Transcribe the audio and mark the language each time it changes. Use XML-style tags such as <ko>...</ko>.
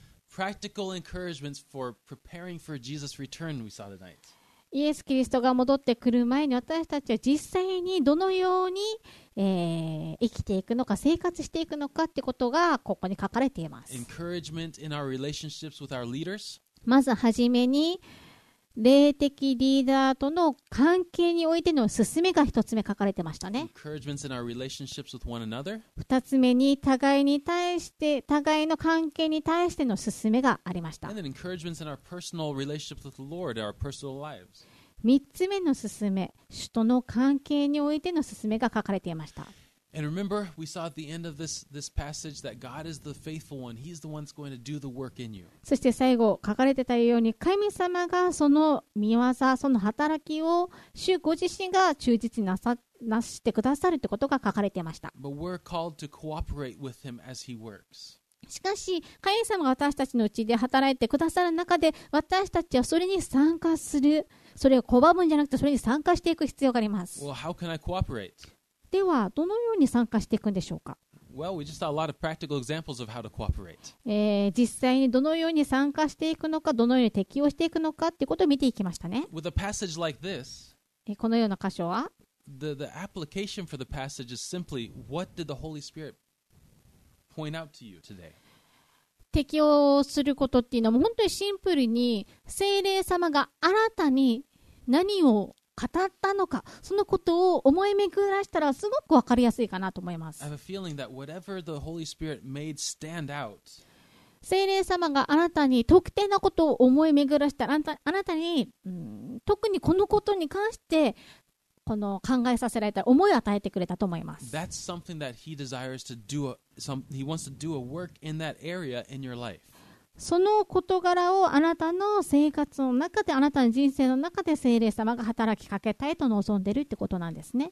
<en>Practical encouragements for preparing for Jesus' return we saw tonight.</en> <ja>イエス・キリストが戻ってくる前に私たちは実際にどのように生きていくのか生活していくのかってことがここに書かれています。</ja> <en>Encouragement in our relationships with our leaders.</en> <ja>まずはじめに霊的リーダーとの関係においての進めが一つ目書かれてましたね。</ja> <en>Encouragements in our relationships with one another.</en> <ja>二つ目に互いの関係に対しての進めがありました。</ja> <en>And then encouragements in our personal relationships with the Lord, our personal lives.</en> <ja>3つ目の進め、主との関係においての進めが書かれていました。</ja> <en>And remember, we saw at the end of this passage that God is the faithful one. He's the one that's going to do the work in you.</en> <ja>そして最後書かれてたように、神様がその御業、その働きを主ご自身が忠実になしてくださるということが書かれていました。</ja> <en>But we're called to cooperate with him as he works.</en> <ja>しかし神様が私たちのうちで働いてくださる中で私たちはそれに参加する、それを拒むんじゃなくてそれに参加していく必要があります。</ja> <en>Well, how can I cooperate?</en> <ja>ではどのように参加していくんでしょうか。</ja> <en>Well, we just saw a lot of practical examples of how to cooperate.</en> <ja>実際にどのように参加していくのか、どのように適応していくのかということを見ていきましたね。</ja> <en>With a passage like this,</en> <ja>このような箇所は</ja> <en>the application for the passage is simply what did the Holy Spirit point out to you today.</en> <ja>適応することっていうのは本当にシンプルに聖霊様があなたに何を語ったのか、そのことを思い巡らしたらすごく分かりやすいかなと思います。</ja> <en>I have a feeling that whatever the Holy Spirit made stand out,</en> <ja>聖霊様があなたに特定なことを思い巡らしたら、あなたに、特にこのことに関してこの考えさせられたら思いを与えてくれたと思います。</ja> <en>That's something that he desires to do aHe wants to do a work in that area in your life.</en> <ja>その事柄をあなたの生活の中で、あなたの人生の中で聖霊様が働きかけたいと望んでいるってことなんですね。</ja>